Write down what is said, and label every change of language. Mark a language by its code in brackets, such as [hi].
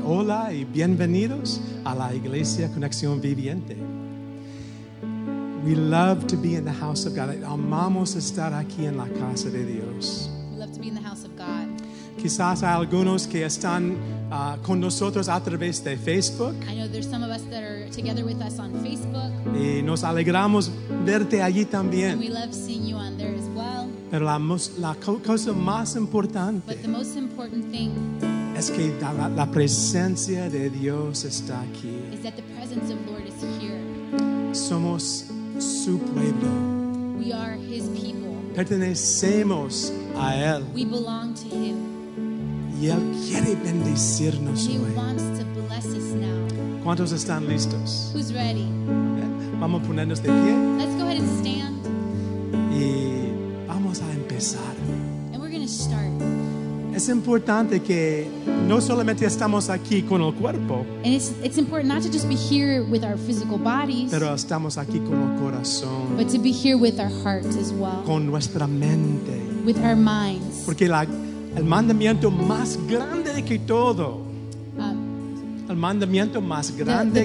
[es] Hola y bienvenidos a la Iglesia Conexión Viviente. [en] We love to be in the house of God. [es] Amamos estar aquí en la casa de Dios. [en] We love to be in the house of God. [es] Quizás hay algunos que están con nosotros a través de Facebook. [en] I know there's some of us that are together with us on Facebook. [es] Y nos alegramos verte allí también. [en] And we love seeing you on there as well. [es] Pero la cosa más importante, [en] but the most important thing, [es] es que la presencia de Dios está aquí. [en] Is that the presence of the Lord is here. [es] Somos su pueblo. [en] We are his people. [es] Pertenecemos a él. [en] We belong to him. [es] Y él quiere bendecirnos hoy. [en] He wants to bless us now. [es] ¿Cuántos están listos? [en] Who's ready? [es] Vamos a ponernos de pie. [en] Let's go ahead and stand. [es] Y vamos a empezar. [en] And we're going to start. [es] Es importante que no solamente estamos aquí con el cuerpo. [en] And it's important not to just be here with our physical bodies. [es] Pero estamos aquí con el corazón. [en] But to be here with our hearts as well. [es] Con nuestra mente. [en] With our minds. [es] Porque el mandamiento más grande que todo. El mandamiento más grande